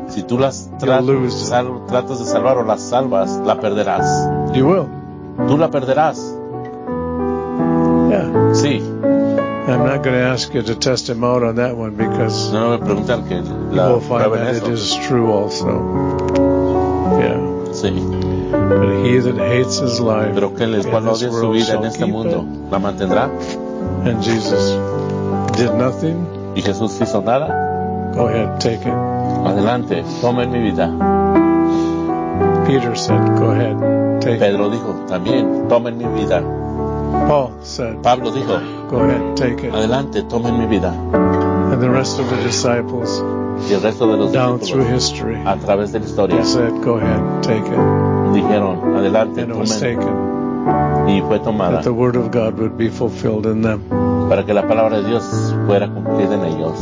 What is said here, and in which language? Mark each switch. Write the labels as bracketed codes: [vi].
[es] si tú las tratas de salvar o las salvas, la perderás. [en] You will. [es] Tú la perderás. [en] Yeah. [es] Sí. [en] I'm not going to ask you to test him out on that one because [es] no, no me preguntan que la [en] you will find that it is true also. Yeah. [es] Sí. [en] But he that hates his life, [es] pero quien el cual odia su vida en este mundo, la mantendrá. [en] And Jesus did nothing. [es] Y Jesús hizo nada. [en] Go ahead, take it. [es] Adelante, toma mi vida. [en] Peter said, go ahead, take [es] Pedro dijo, también, tomen mi vida. [en] Paul said, [es] Pablo dijo, [en] go ahead, take it. [es] Adelante, tomen mi vida. [en] And the rest of the disciples, [es] y el resto de los [en] down [es] discípulos, [en] through history, [es] a través de la historia, [en] said, go ahead, take it. [es] Dijeron, adelante, [en] and it [es] tomen. [en] Was taken. [es] Y fue tomada. [en] That the word of God would be fulfilled in them. [es] Para que la palabra de Dios fuera cumplida en ellos.